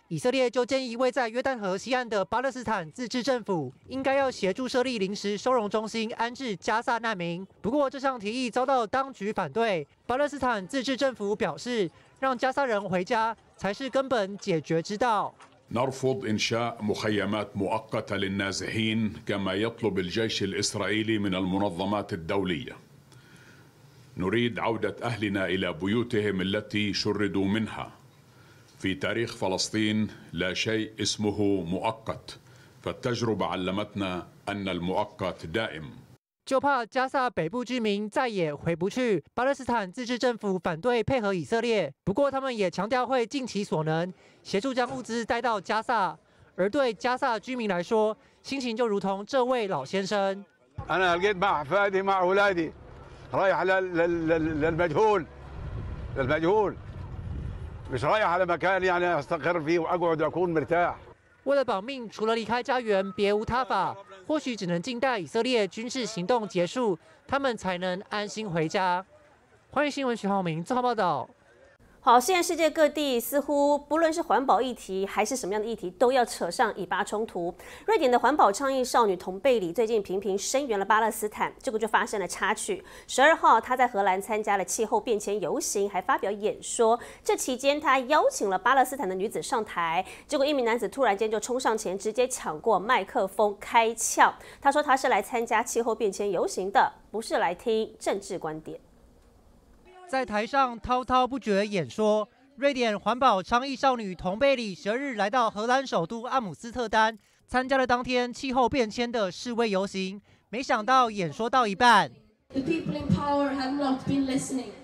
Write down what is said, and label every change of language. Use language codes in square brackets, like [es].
[zh] 以色列就建议位在约旦河西岸的巴勒斯坦自治政府应该要协助设立临时收容中心安置加萨难民，不过这项提议遭到当局反对。巴勒斯坦自治政府表示，让加萨人回家才是根本解决之道。 [ar] نرفض إنشاء مخيمات مؤقتة للنازحين كما يطلب الجيش الإسرائيلي من المنظمات الدولية. نريد عودة أهلنا إلى بيوتهم التي شردوا منها. في تاريخ فلسطين لا شيء اسمه مؤقت. فالتجربة علمتنا أن المؤقت دائم. [zh] 就怕加萨北部居民再也回不去。巴勒斯坦自治政府反对配合以色列，不过他们也强调会尽其所能协助将物资带到加萨。而对加萨居民来说，心情就如同这位老先生。 [ar] أنا لقيت مع أحفادي مع أولادي رايح للمجهول للمجهول مش رايح على مكان يعني أستقر فيه وأقعد أكون مرتاح. [zh] 为了保命，除了离开家园，别无他法。或许只能静待以色列军事行动结束，他们才能安心回家。欢迎新闻徐浩明综合报道。好，现在世界各地似乎不论是环保议题还是什么样的议题，都要扯上以巴冲突。瑞典的环保倡议少女童贝里最近频频声援了巴勒斯坦，这个就发生了插曲。 12号，她在荷兰参加了气候变迁游行，还发表演说。这期间，她邀请了巴勒斯坦的女子上台，结果一名男子突然间就冲上前，直接抢过麦克风开呛。他说他是来参加气候变迁游行的，不是来听政治观点。在台上滔滔不绝演说，瑞典环保倡议少女童贝里12日来到荷兰首都阿姆斯特丹，参加了当天气候变迁的示威游行。没想到演说到一半 [en] ，The people in power have not been listening.